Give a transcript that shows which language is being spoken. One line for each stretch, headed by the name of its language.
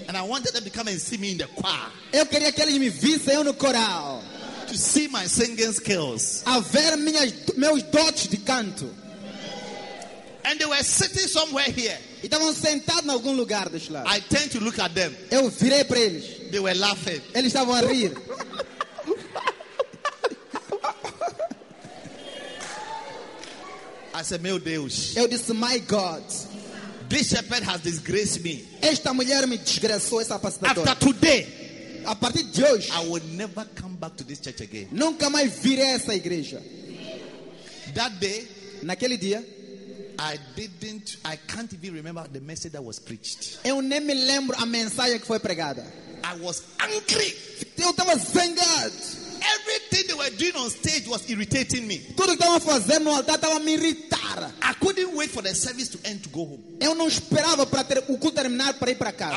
English: And I wanted them to come and see me in the choir.
Portuguese: Eu queria que eles me vissem no coral.
English: To see my singing skills.
Portuguese: A ver minhas meus dotes de canto.
English: And they were sitting somewhere here.
Portuguese: E estavam sentados em algum lugar deste lado.
English: I turned to look at them.
Portuguese: Eu virei para eles.
English: They were laughing.
Portuguese: Eles estavam a rir.
English: I said,
Portuguese: "Meu Deus." Eu disse,
English: "My God." This shepherd has disgraced me.
Portuguese: Esta mulher me desgraçou, essa pastora.
English: After today,
Portuguese: a partir de hoje,
English: I will never come back to this church again.
Portuguese: Nunca mais virei a essa igreja.
English: That day,
Portuguese: naquele dia,
English: I can't even remember the message that was preached.
Portuguese: Eu nem me lembro a mensagem que foi pregada.
English: I was angry.
Portuguese: Eu estava zangado.
English: Everything they were doing on stage was irritating me.
Portuguese: Tudo que estavam fazendo no altar estava me irritar.
English: I couldn't wait for the service to end to go home.
Portuguese: Eu não esperava para ter o culto terminar para ir para casa.